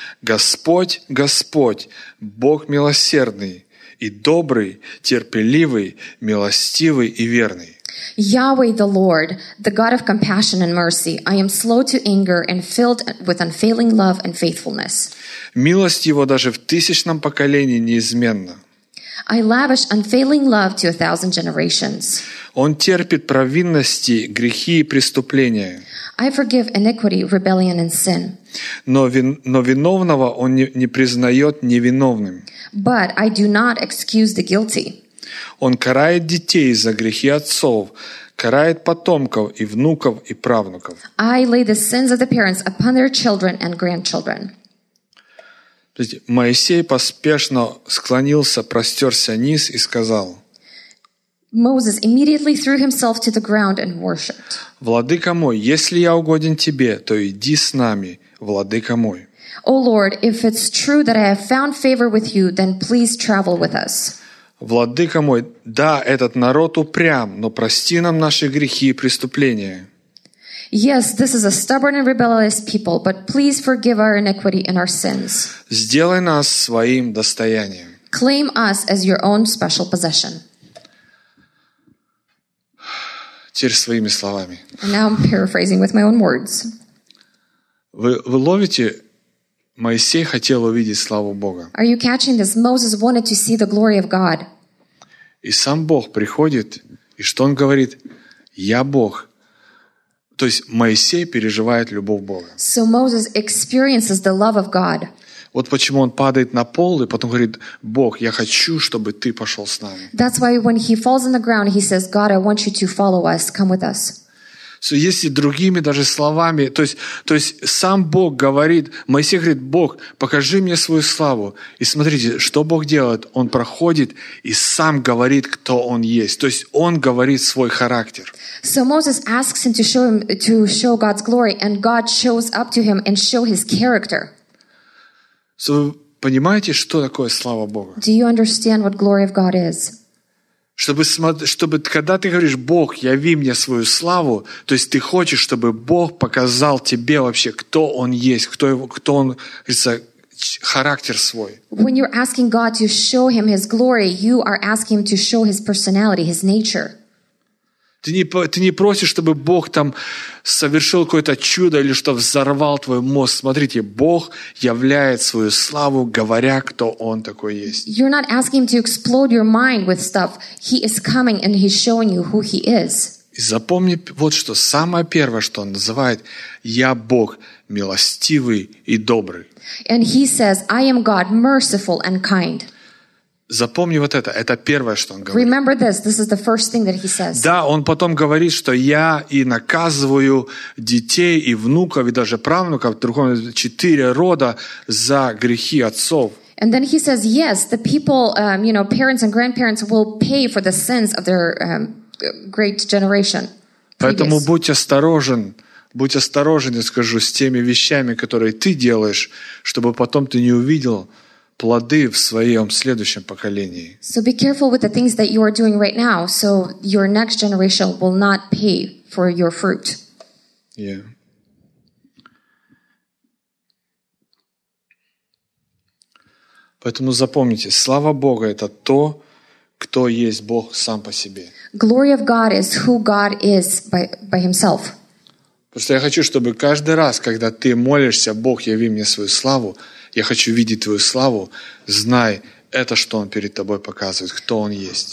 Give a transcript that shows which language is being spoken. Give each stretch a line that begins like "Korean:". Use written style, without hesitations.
Russian: Господь, Господь, Бог милосердный и добрый, терпеливый, милостивый и верный.
English: Yahweh the Lord, the God of compassion and mercy, I am slow to anger and filled with unfailing love and faithfulness.
Russian: Милость его даже в тысячном поколении неизменна.
English: I lavish unfailing love to 1,000 generations.
Russian: Он терпит провинности, грехи и преступления.
English: I forgive iniquity, rebellion and sin.
Russian: Но виновного он не признает невиновным.
English: But I do not excuse the guilty.
Russian: Он карает детей за грехи отцов, карает потомков и внуков и правнуков.
English: I lay the sins of the parents upon their children and grandchildren.
Russian: Моисей поспешно склонился, простерся низ и сказал:
English: Moses immediately threw himself to the ground and worshiped.
Russian: Владыка мой, если я угоден тебе, то иди с нами, владыка мой.
English: O Lord, if it's true that I have found favor with you, then please travel with us.
Russian: Владыка мой, да, этот народ упрям, но прости нам наши грехи и преступления.
English: Yes, this is a stubborn and rebellious people, but please forgive our iniquity and our sins.
Russian: Сделай нас своим достоянием.
English: Claim us as your own special possession.
Russian: Теперь своими словами.
English: And now I'm paraphrasing with my own words.
Russian: Вы ловите? Моисей хотел увидеть славу Бога.
English: Are you catching this? Moses wanted to see the glory of God.
Russian: И сам Бог приходит, и что он говорит? Я Бог. То есть Моисей переживает любовь Бога.
English: So Moses experiences the love of God.
Russian: Вот почему он падает на пол и потом говорит: «Бог, я хочу, чтобы ты пошел с нами».
English: That's why when he falls on the ground, he says, God, I want you to follow us, come with us.
Russian: So, если другими даже словами, то есть сам Бог говорит, Моисей говорит: «Бог, покажи мне свою славу». И смотрите, что Бог делает. Он проходит и сам говорит, кто он есть. То есть он говорит свой характер.
English: So Moses asks him to show God's glory, and God shows up to him and show his character.
Russian: So, вы понимаете, что такое слава Бога?
English: Do you understand what glory of God is?
Russian: Чтобы когда ты говоришь: «Бог, яви мне свою славу», то есть ты хочешь, чтобы Бог показал тебе вообще, кто он есть, кто он, говорится, характер свой.
English: When you're asking God to show him his glory, you are asking him to show his personality, his nature.
Russian: Ты не просишь, чтобы Бог там совершил какое-то чудо или что взорвал твой мозг. Смотрите, Бог являет свою славу, говоря, кто он такой есть.
English: You're not asking him to explode your mind with stuff. He is coming and he's showing you who he is.
Russian: И запомни вот что. Самое первое, что он называет: «Я Бог, милостивый и добрый».
English: And he says, I am God, merciful and kind.
Russian: Запомни вот это. Это первое, что он говорит.
English: Remember this. This is the first thing that he says.
Russian: Да, он потом говорит, что я и наказываю детей, и внуков, и даже правнуков, другом 4 рода за грехи отцов.
English: And then he says, yes, the people, parents and grandparents will pay for the sins of their great generation.
Russian: Поэтому будь осторожен. Будь осторожен, я скажу, с теми вещами, которые ты делаешь, чтобы потом ты не увидел плоды в своем следующем поколении.
English: So be careful with the things that you are doing right now, so your next generation will not pay for your fruit. Yeah.
Russian: Поэтому запомните, слава Бога — это то, кто есть Бог сам по себе.
English: Glory of God is who God is by himself.
Russian: Потому что я хочу, чтобы каждый раз, когда ты молишься: «Бог, яви мне свою славу», я хочу видеть твою славу. Знай, это что он перед тобой показывает, кто он есть.